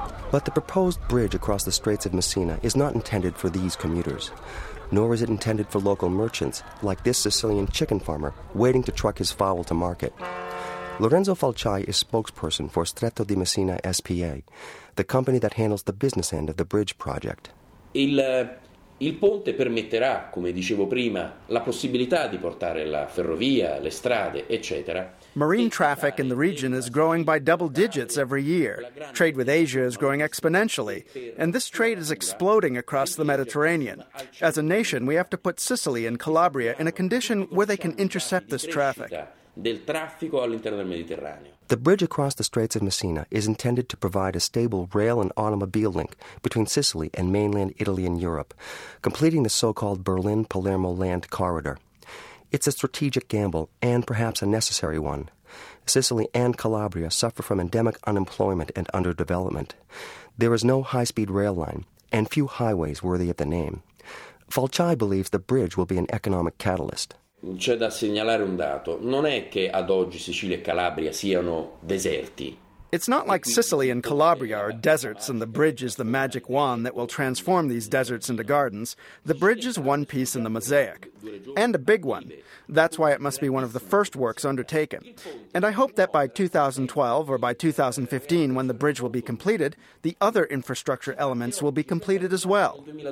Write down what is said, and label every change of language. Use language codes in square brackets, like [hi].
[en] But the proposed bridge across the Straits of Messina is not intended for these commuters. Nor is it intended for local merchants, like this Sicilian chicken farmer waiting to truck his fowl to market. Lorenzo Falchai is spokesperson for Stretto di Messina S.P.A., the company that handles the business end of the bridge project. [it] Il ponte permetterà, come dicevo prima, la possibilità di portare la ferrovia, le strade, eccetera. [en] Marine traffic in the region is growing by double digits every year. Trade with Asia is growing exponentially, and this trade is exploding across the Mediterranean. As a nation, we have to put Sicily and Calabria in a condition where they can intercept this traffic. The bridge across the Straits of Messina is intended to provide a stable rail and automobile link between Sicily and mainland Italy and Europe, completing the so-called Berlin-Palermo land corridor. It's a strategic gamble and perhaps a necessary one. Sicily and Calabria suffer from endemic unemployment and underdevelopment. There is no high-speed rail line and few highways worthy of the name. Falchai believes the bridge will be an economic catalyst. [it] C'è da segnalare un dato. Non è che ad oggi Sicilia e Calabria siano deserti. [en] It's not like Sicily and Calabria are deserts and the bridge is the magic wand that will transform these deserts into gardens. The bridge is one piece in the mosaic, and a big one. That's why it must be one of the first works undertaken. And I hope that by 2012 or by 2015, when the bridge will be completed, the other infrastructure elements will be completed as well.